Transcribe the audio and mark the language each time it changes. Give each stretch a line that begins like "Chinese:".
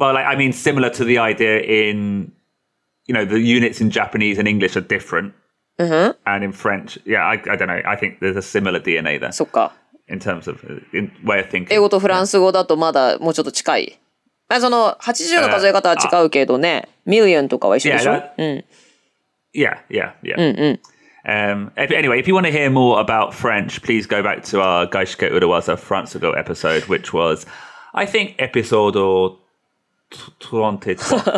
English: Well, like, I mean, similar to the idea in, you know, the units in Japanese and English are different. Uh-huh. And in French, yeah, I don't know, I think there's a similar DNA there.
Japanese: そっか。
English: In terms of, in way of thinking.
Japanese: 英語とフランス語だとまだもうちょっと近い。まあ、その80の数え方は違うけどね、ミリオンとかは一緒でしょ。
English: yeah, that, うん。 Yeah, yeah, yeah. Anyway, if you want to hear more about French, please go back to our Gaishike Urawaza France Ago episode, which was, I think, episode 23.